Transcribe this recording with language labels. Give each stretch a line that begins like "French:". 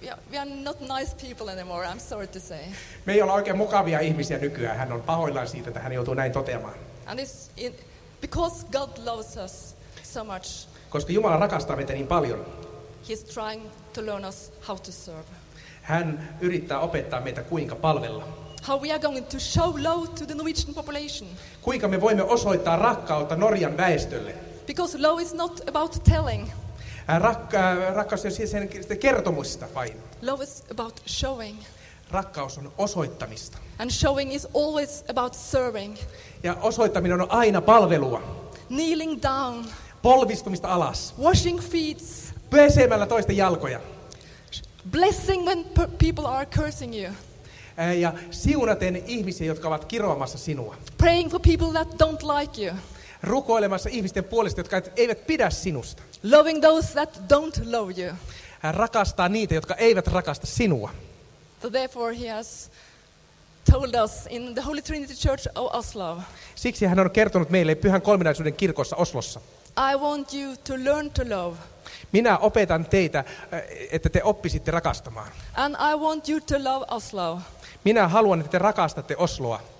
English: We are not nice people anymore, I'm sorry to say.
Finnish: Me ei ole oikein mukavia ihmisiä nykyään. Hän on pahoillaan siitä, että hän joutuu näin toteamaan.
English: And it's because God loves us so much.
Finnish: Koska Jumala rakastaa meitä niin paljon.
English: He's trying to learn us how to serve.
Finnish: Hän yrittää opettaa meitä kuinka palvella.
English: How we are going to show love to the Norwegian population.
Finnish: Kuinka me voimme osoittaa rakkautta Norjan väestölle.
English: Because love is not about telling.
Finnish: Rakkaus on siis sen kertomusta vain.
English: Love is about showing.
Finnish: Rakkaus on osoittamista.
English: And showing is always about serving.
Finnish: Ja osoittaminen on aina palvelua.
English: Kneeling down.
Finnish: Polvistumista alas.
English: Washing feet.
Finnish: Pesemällä toisten jalkoja.
English: Blessing when people are cursing you.
Finnish: Ja siunaten ihmisiä, jotka ovat kiroamassa sinua.
English: Praying for people that don't like you.
Finnish: rukoilemassa ihmisten puolesta, jotka eivät pidä sinusta.
English: Loving those that don't love you.
Finnish: Hän rakastaa niitä, jotka eivät rakasta sinua.
English: So therefore he has told us in the Holy Trinity Church of Oslo.
Finnish: Siksi hän on kertonut meille Pyhän Kolminaisuuden kirkossa Oslossa.
English: I want you to learn to love.
Finnish: Minä opetan teitä, että te oppisitte rakastamaan.
English: And I want you to love Oslo.
Finnish: Minä haluan, että te rakastatte Osloa.